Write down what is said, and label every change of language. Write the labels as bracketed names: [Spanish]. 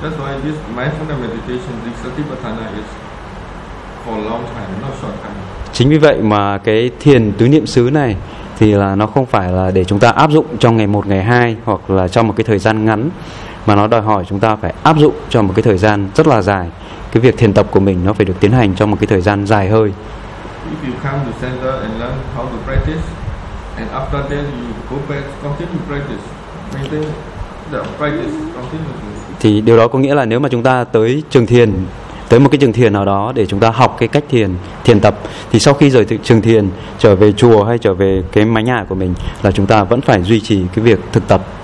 [English] That's why this mindfulness meditation, this satipatthana is for long time, not short time. [Vietnamese] Chính vì vậy mà cái thiền tứ niệm xứ này thì là nó không phải là để chúng ta áp dụng trong ngày 1, ngày 2 hoặc là trong một cái thời gian ngắn, mà nó đòi hỏi chúng ta phải áp dụng cho một cái thời gian rất là dài. Cái việc thiền tập của mình nó phải được tiến hành trong một cái thời gian dài hơi. [English] If you come to center and learn how to practice, and after that you go back, continue practice, maintain the practice, continue. [Vietnamese] Thì điều đó có nghĩa là nếu mà chúng ta tới trường thiền, tới một cái trường thiền nào đó để chúng ta học cái cách thiền, thiền tập, thì sau khi rời trường thiền trở về chùa hay trở về cái mái nhà của mình là chúng ta vẫn phải duy trì cái việc thực tập.